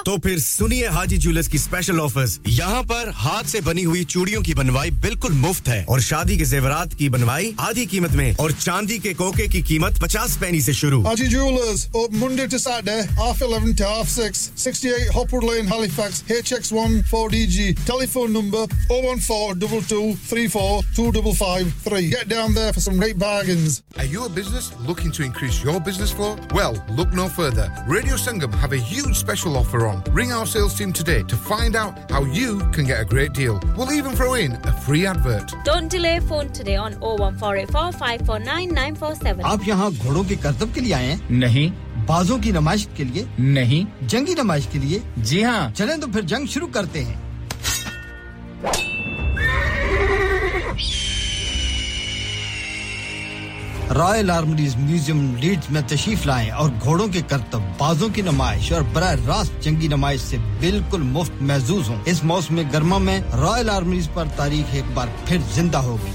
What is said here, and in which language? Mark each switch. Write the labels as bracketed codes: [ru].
[hi] तो फिर सुनिए हाजी जूलर्स की स्पेशल ऑफर्स यहां पर हाथ से बनी हुई चूड़ियों की बनवाई बिल्कुल मुफ्त है और शादी के जेवरात की बनवाई आधी कीमत में और चांदी के कोके की कीमत 50 पैसे से शुरू [en] Haji jewellers open Monday to Saturday half 11 to half 6 68 Hopwood Lane, Halifax, HX1 4DG. Telephone number 01422342553. Get down there for some great bargains. Are you a business looking to increase your business flow? Well, look no further. Radio Sangam have a huge special offer on. Ring our sales team today to find out how you can get a great deal. We'll even throw in a free advert. Don't delay. Phone today on 01484549947. [hi] आप यहाँ घोड़ों के कर्तव्य के लिए आए हैं? नहीं. बाजों की नमाइश के लिए नहीं जंगी नमाइश के लिए जी हाँ चलें तो फिर जंग शुरू करते हैं रॉयल आर्मरीज म्यूजियम लीड्स में तशरीफ लाएं और घोड़ों के करतब बाजों की नमाइश और बराह रास्त जंगी नमाइश से बिल्कुल मुफ्त महजूज हों इस मौसम गर्मा में रॉयल आर्मरीज पर तारीख एक बार फिर जिंदा होगी